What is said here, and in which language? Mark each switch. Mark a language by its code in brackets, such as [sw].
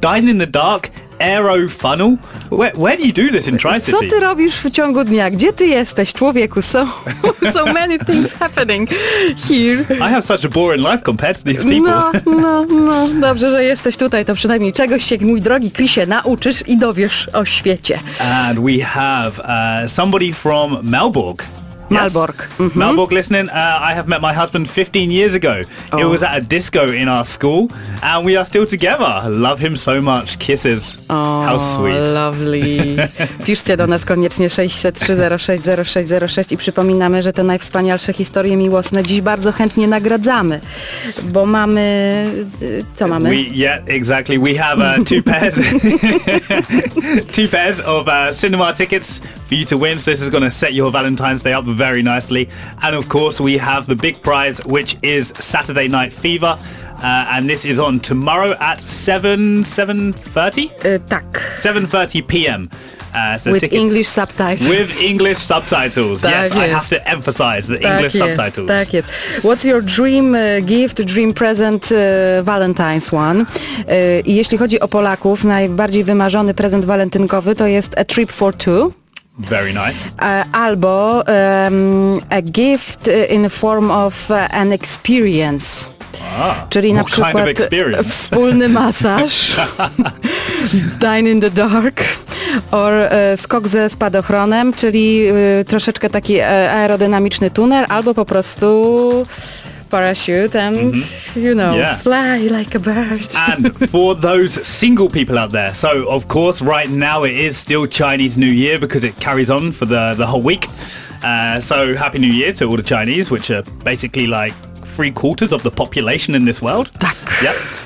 [en] Dine in the dark, aero funnel. Where do you do this in Tri-City? [pl] Co ty robisz w ciągu dnia? Gdzie ty jesteś, człowieku? [en] So, so many things happening here. I have such a boring life compared to these people. No, no, no. [pl] Dobrze, że jesteś tutaj, to przynajmniej czegoś się, mój drogi Krisie, nauczysz i dowiesz o świecie. [en] And we have somebody from Melbourne. Malbork. Yes. Mm-hmm. Malbork listening. I have met my husband 15 years ago. Oh. It was at a disco in our school and we are still together. Love him so much. Kisses. Oh, how sweet. Lovely. [pl] Piszcie do nas koniecznie 603060606 i przypominamy, że te najwspanialsze historie miłosne dziś bardzo chętnie nagradzamy, bo mamy... Co mamy? [en] Exactly. We have two pairs. Two pairs of cinema tickets for you to win, so this is going to set your Valentine's Day up very nicely. And of course we have the big prize, which is Saturday Night Fever, and this is on tomorrow at 7:30? [pl] Tak. [en] 7:30 p.m. So with tickets, English subtitles. With English subtitles. [pl] Tak, [en] yes, I have to emphasize the English subtitles. [pl] Tak jest. [en] What's your dream gift, dream present, Valentine's one? [pl] I jeśli chodzi o Polaków, najbardziej wymarzony prezent walentynkowy to jest [en] a trip for two. Very nice. Albo a gift in the form of an experience. [pl] Czyli [en] what [pl] na przykład [en] kind of experience? [pl] Wspólny masaż, [en] dine in the dark, or [pl] skok ze spadochronem, czyli troszeczkę taki aerodynamiczny tunel, albo po prostu [en] parachute and, you know, fly like a bird. And for those single people out there, so of course right now it is still Chinese New Year because it carries on for the whole week. So Happy New Year to all the Chinese, which are basically like 3/4 of the population in this world. [pl] Tak. [en] Yep.